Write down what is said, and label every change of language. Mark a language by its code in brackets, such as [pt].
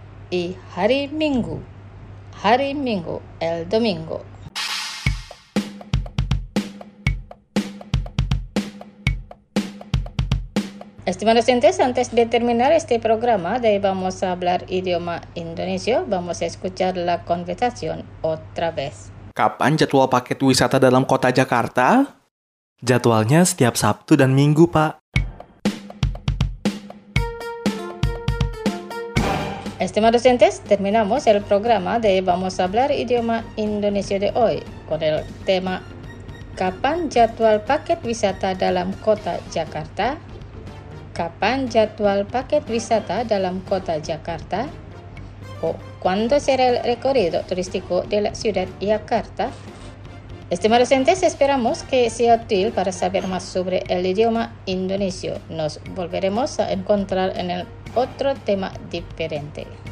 [id] y hari Minggu. Hari Minggu, el domingo. [es] Estimados oyentes, antes de terminar este programa de Vamos a hablar idioma indonesio, vamos a escuchar la conversación otra vez. [id] Kapan jadwal paket wisata dalam kota Jakarta? Jadwalnya setiap Sabtu dan Minggu, Pak. [es] Estimados oyentes, terminamos el programa de Vamos a hablar idioma indonesio de hoy con el tema [id] Kapan jadwal paket wisata dalam kota Jakarta? Kapan jadwal paket wisata dalam kota Jakarta? [es] O cuándo será el recorrido turístico de la ciudad de Jakarta? Estimados oyentes, esperamos que sea útil para saber más sobre el idioma indonesio. Nos volveremos a encontrar en el otro tema diferente.